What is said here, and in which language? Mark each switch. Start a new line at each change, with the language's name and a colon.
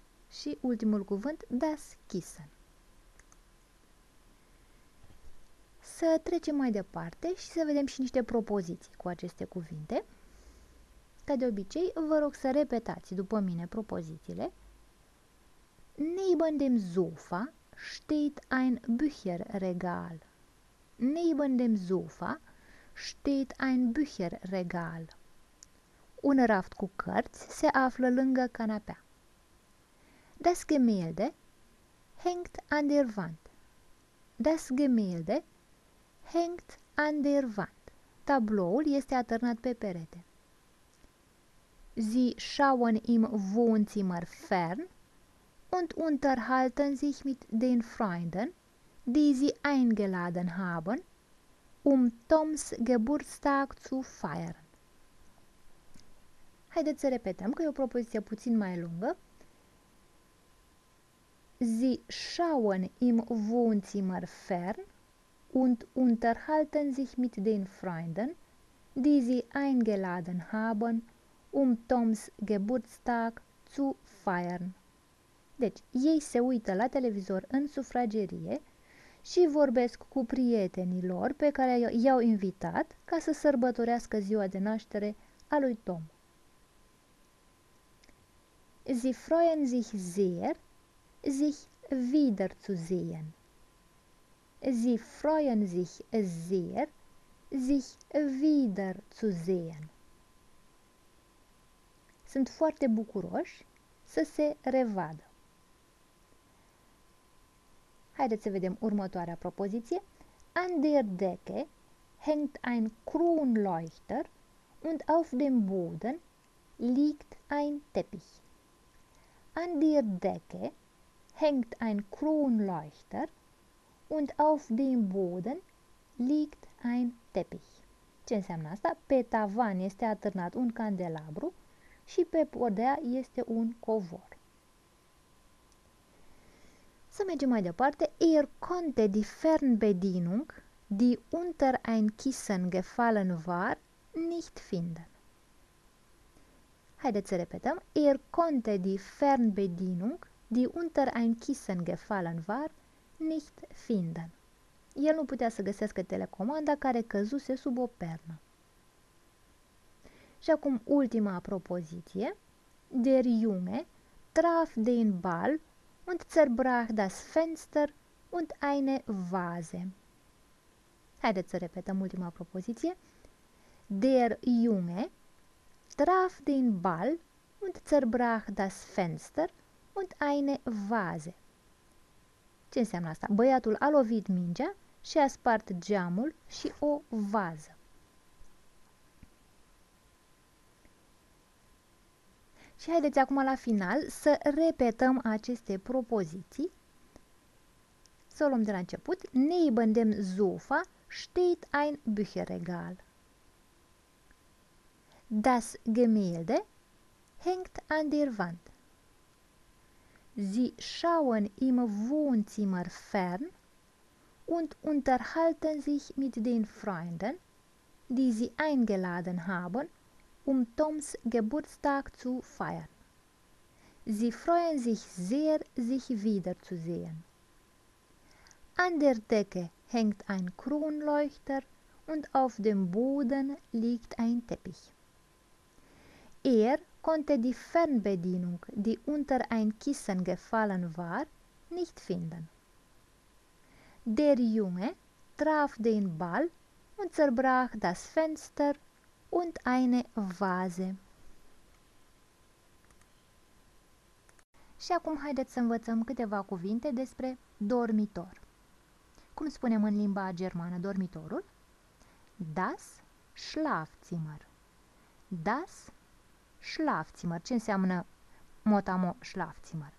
Romanian: Și ultimul cuvânt, das Kissen. Să trecem mai departe și să vedem și niște propoziții cu aceste cuvinte. Ca de obicei, vă rog să repetați după mine propozițiile.
German: Neben dem Sofa steht ein Bücherregal. Neben dem Sofa steht ein Bücherregal.
Romanian: Un raft cu cărți se află lângă canapea.
German: Das Gemälde hängt an der Wand. Das Gemälde hängt an der Wand.
Romanian: Tabloul este atârnat pe perete.
German: Sie schauen im Wohnzimmer fern und unterhalten sich mit den Freunden, die sie eingeladen haben, Toms Geburtstag zu feiern.
Romanian: Haideți să repetăm, că e o propoziție puțin mai lungă.
German: Sie schauen im Wohnzimmer fern und unterhalten sich mit den Freunden, die sie eingeladen haben, um Toms Geburtstag zu feiern.
Romanian: Deci, ei se uită la televizor în sufragerie și vorbesc cu prietenii lor pe care i-au invitat ca să sărbătorească ziua de naștere a lui Tom.
German: Sie freuen sich sehr, sich wieder zu sehen. Sie freuen sich sehr, sich wieder zu sehen.
Romanian: Sunt foarte bucuroși să se revadă. Haideți să vedem următoarea propoziție.
German: An der Decke hängt ein Kronleuchter und auf dem Boden liegt ein Teppich. An der Decke hängt ein Kronleuchter und auf dem Boden liegt ein Teppich.
Romanian: Ce înseamnă asta? Pe tavan este atârnat un candelabru și pe podea este un covor. Să mergem mai departe.
German: Konnte die Fernbedienung, die unter ein Kissen gefallen war, nicht finden.
Romanian: Haideți să repetăm.
German: Konnte die Fernbedienung, die unter ein Kissen gefallen war, nicht finden.
Romanian: El nu putea să găsească telecomanda care căzuse sub o pernă. Și acum ultima propoziție.
German: Der Junge traf den Ball und zerbrach das Fenster und eine Vase.
Romanian: Haideți să repetăm ultima propoziție.
German: Der Junge traf den Ball und zerbrach das Fenster und eine Vase.
Romanian: Ce înseamnă asta? Băiatul a lovit mingea și a spart geamul și o vază. Și haideți acum la final să repetăm aceste propoziții. Să o luăm de la început.
German: Neben dem Sofa steht ein Bücherregal. Das Gemälde hängt an der Wand. Sie schauen im Wohnzimmer fern und unterhalten sich mit den Freunden, die sie eingeladen haben, um Toms Geburtstag zu feiern. Sie freuen sich sehr, sich wiederzusehen. An der Decke hängt ein Kronleuchter und auf dem Boden liegt ein Teppich. Konnte die Fernbedienung, die unter ein Kissen gefallen war, nicht finden. Der Junge traf den Ball und zerbrach das Fenster und eine Vase.
Romanian: Și acum haideți să învățăm câteva cuvinte despre dormitor. Cum spunem în limba germană dormitorul?
German: Das Schlafzimmer. Das Schlafzimmer.
Romanian: Ce înseamnă motamo Schlafzimmer?